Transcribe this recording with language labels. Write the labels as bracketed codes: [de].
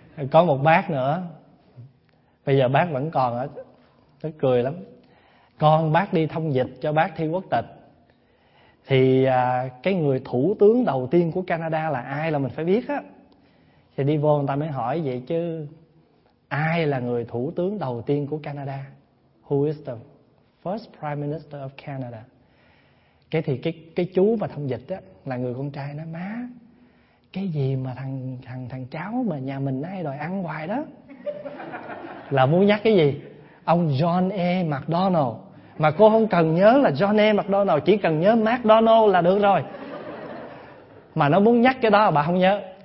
[vi] Có một bác nữa, bây giờ bác vẫn còn á, nó cười lắm. Con bác đi thông dịch cho bác thi quốc tịch. Thì cái người thủ tướng đầu tiên của Canada là ai là mình phải biết á. Thì đi vô người ta mới hỏi vậy chứ ai là người thủ tướng đầu tiên của Canada? [en] Who is the first prime minister of Canada? [vi] Cái thì cái chú mà thông dịch á là người con trai nó, má cái gì mà thằng cháu mà nhà mình nó hay đòi ăn hoài đó. Là muốn nhắc cái gì? Ông John A. McDonald. Mà cô không cần nhớ là John A. McDonald, chỉ cần nhớ McDonald là được rồi. Mà nó muốn nhắc cái đó bà không nhớ.